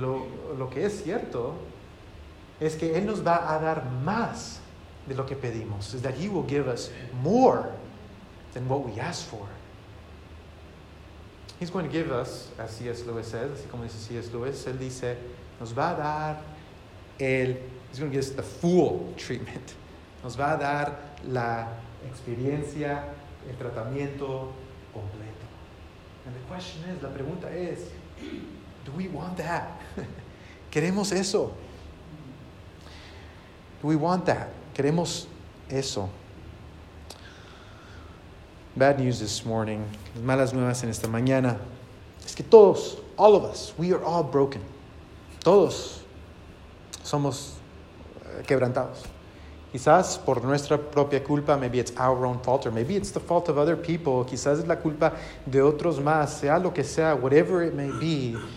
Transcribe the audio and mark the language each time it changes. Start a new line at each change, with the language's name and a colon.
Spanish: Lo que es cierto es que Él nos va a dar más de lo que pedimos.
English: Is that He will give us more than what we ask for. He's going to give us, as C.S. Lewis says,
Spanish: así como dice C.S. Lewis, Él dice, nos va a dar el...
English: He's going to give us the full treatment.
Spanish: Nos va a dar la experiencia, el tratamiento completo.
English: And the question is,
Spanish: la pregunta es,
English: do we want that?
Spanish: ¿Queremos eso?
English: Do we want that?
Spanish: ¿Queremos eso?
English: Bad news this morning.
Spanish: Malas nuevas en esta mañana. Es que todos,
English: all of us, we are all broken.
Spanish: Todos somos quebrantados. Quizás por nuestra propia culpa,
English: maybe it's our own fault, or maybe it's the fault of other people.
Spanish: Quizás es la culpa de otros más, sea lo que sea,
English: whatever it may be.